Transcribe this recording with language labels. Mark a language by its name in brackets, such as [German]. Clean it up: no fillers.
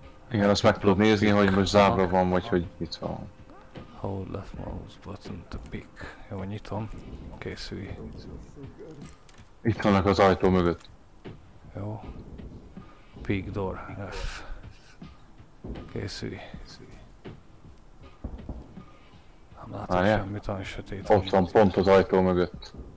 [Hungarian] Igen, azt meg tudod nézni, hogy most zárva van, vagy hogy itt van. [English] Hold left mouse button to pick. [Hungarian] Jó, nyitom. Készülj. Itt vannak az ajtó mögött. Jó. [English] Peak door, F. [Hungarian] Készülj. Nem látom semmit, sötét. Ott van, pont az ajtó mögött.